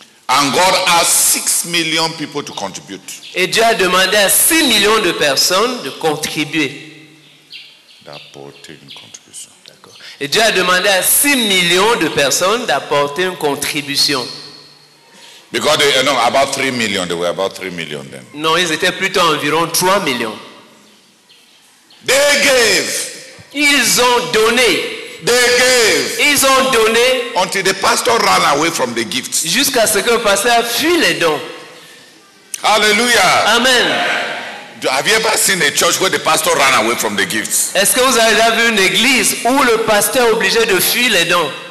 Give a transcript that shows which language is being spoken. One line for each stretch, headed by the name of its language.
English: And God asked 6 million people to contribute.
French: Et Dieu a demandé à 6 millions de personnes de contribuer. D'apporter une contribution. D'accord. Et Dieu a demandé à 6 millions de personnes d'apporter une contribution.
English: Because they, no, about 3 million, they were about 3 million then.
French: Non, ils étaient plutôt environ 3 millions.
English: They gave.
French: Ils ont donné.
English: They gave.
French: Ils ont donné.
English: Until the pastor ran away from the gifts.
French: Jusqu'à ce que le pasteur a fui les dons. Hallelujah. Amen.
English: Have you ever seen a church where the pastor ran away from the gifts?
French: Est-ce que vous avez déjà vu une église où le pasteur est obligé de fuir les dons?